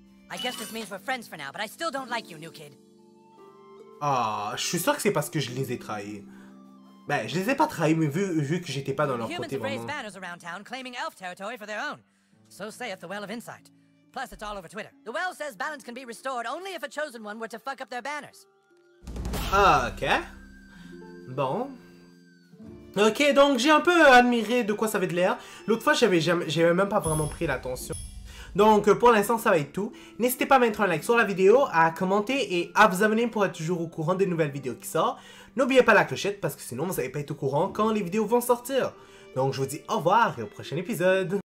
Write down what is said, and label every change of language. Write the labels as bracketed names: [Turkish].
[English] I guess this means we're friends for now, but I still don't like you, new kid. [French] Ah, je suis sûr que c'est parce que je les ai trahis. Ben, je les ai pas trahis, mais vu que j'étais pas dans leur côté vraiment. [English] Humans have raised banners around town, claiming elf territory for their own. So saith the Well of Insight. Plus, it's all over Twitter. The Well says balance can be restored only if a chosen one were to fuck up their banners. [French] Ok. Bon. Ok, donc j'ai un peu admiré de quoi ça avait de l'air. L'autre fois, j'avais même pas vraiment pris l'attention. Donc, pour l'instant, ça va être tout. N'hésitez pas à mettre un like sur la vidéo, à commenter et à vous abonner pour être toujours au courant des nouvelles vidéos qui sortent. N'oubliez pas la clochette parce que sinon, vous n'allez pas être au courant quand les vidéos vont sortir. Donc, je vous dis au revoir et au prochain épisode.